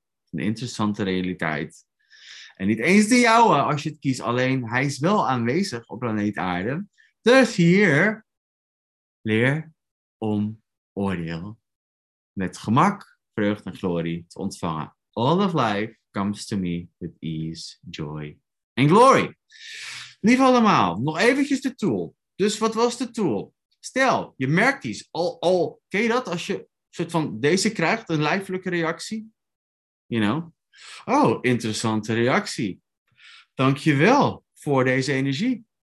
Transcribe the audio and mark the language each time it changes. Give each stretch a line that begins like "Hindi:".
Dutch: Een interessante realiteit. En niet eens de jouwe als je het kiest. Alleen, hij is wel aanwezig op planeet Aarde. Dus hier, leer om oordeel met gemak, vreugd en glorie te ontvangen.
English: All of life comes to me with ease, joy and glory.
Dutch: Lief allemaal, nog eventjes de tool. Dus wat was de tool? Stel, je merkt iets. Al ken je dat als je soort van deze krijgt, een lijfelijke reactie?
English: You know?
Dutch: Oh, interessante reactie. Dank je wel voor deze energie.